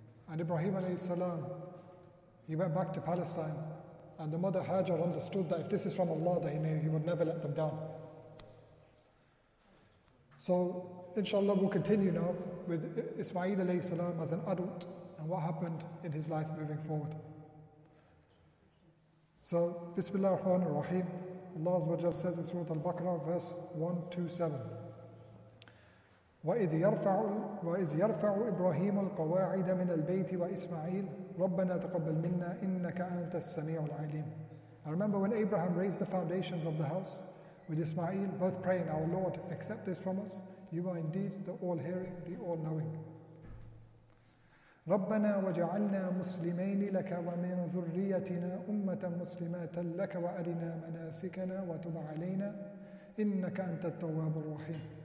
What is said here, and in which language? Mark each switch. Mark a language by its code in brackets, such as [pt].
[en] And Ibrahim alayhi salam, he went back to Palestine, and the mother Hajar understood that if this is from Allah, that he knew he would never let them down. So inshallah we'll continue now with Ismail alayhi salam as an adult and what happened in his life moving forward. So Bismillah ar-Rahman ar-Rahim. Allah Azawajal says in Surah Al-Baqarah, verse 127, [ar] وَإِذْ يَرْفَعُ إِبْرَاهِيمُ الْقَوَاعِدَ مِنَ الْبَيْتِ وَإِسْمَعِيلُ رَبَّنَا تَقَبَّلْ مِنَّا إِنَّكَ أَنْتَ السَّمِيعُ الْعَلِيمُ. [en] I remember when Abraham raised the foundations of the house with Ismail, both praying, Our Lord, accept this from us. You are indeed the all-hearing, the all-knowing. [ar] رَبَّنَا وَجَعَلْنَا مُسْلِمَيْنِ لَكَ وَمِنْ ذُرِّيَّتِنَا أُمَّةً مُسْلِمَةً لَكَ وَأَرِنَا مَنَاسِكَنَا وَتُبْ عَلَيْنَا إِنَّكَ أَنْتَ التَّوَّابُ الرَّحِيمُ.